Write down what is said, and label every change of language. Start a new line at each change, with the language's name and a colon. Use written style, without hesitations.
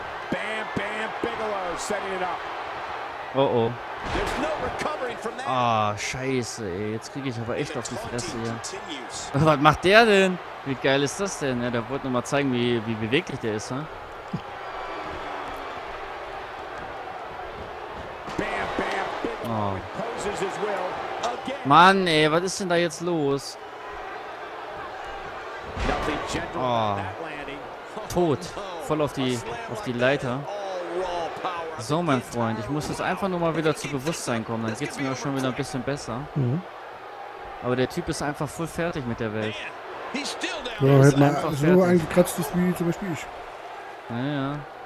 English: Bam Bam Bigelow setting it up. Oh oh. There's no recovering from that.
German: Ah, Scheiße, ey. Jetzt kriege ich aber echt auf die Fresse hier. Was macht der denn? Wie geil ist das denn? Ja, der wollte nochmal zeigen, wie beweglich der ist, ha?
English: Bam Bam Bigelow reposes his will again.
German: Mann, ey, was ist denn da jetzt los?
English: Nothing gentle on that landing.
German: Tot. Voll auf die Leiter. So, mein Freund, ich muss jetzt einfach nur mal wieder zu Bewusstsein kommen. Dann geht's mir auch schon wieder ein bisschen besser. Aber der Typ ist einfach voll fertig mit der Welt. Ja, er ist einfach so fertig. Ein gekratztes wie zum Beispiel ich. Naja.